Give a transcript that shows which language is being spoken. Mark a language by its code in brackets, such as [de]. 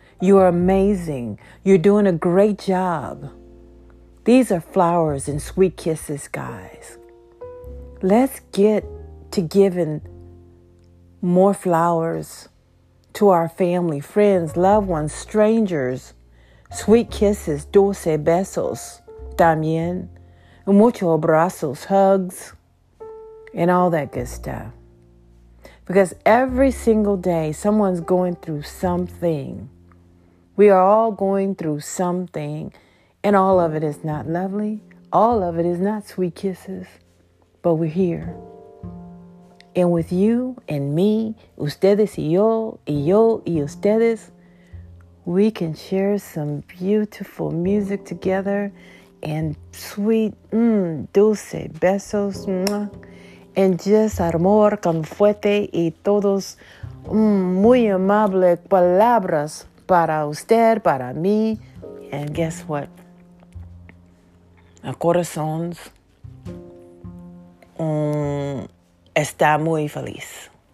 [en] You are amazing. You're doing a great job. These are flowers and sweet kisses, guys. Let's get to giving more flowers to our family, friends, loved ones, strangers. Sweet kisses, [es] dulce besos, también. Mucho abrazos, [en] hugs, and all that good stuff. Because every single day, someone's going through something. We are all going through something, and all of it is not lovely. All of it is not sweet kisses, but we're here. And with you and me, [es] ustedes y yo y ustedes, [en] we can share some beautiful music together. And sweet, [es] dulce besos, [en] mwah. And just [es] amor con fuerte y todos muy amable palabras para usted, para mí. [en] And guess what? [es] Corazones está muy feliz.